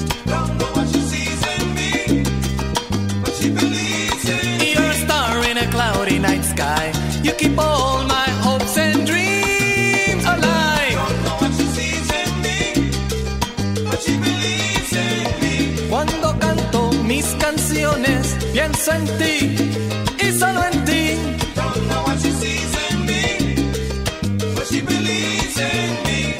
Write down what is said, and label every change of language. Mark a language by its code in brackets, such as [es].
[en] Don't know what she sees in me, but she believes in me. You're a star in a cloudy night sky. You keep all my hopes and dreams alive. Don't know what she sees in me, but she believes in me. [es] Cuando canto mis canciones, pienso en ti y solo en ti. [en] Don't know what she sees in me, but she believes in me.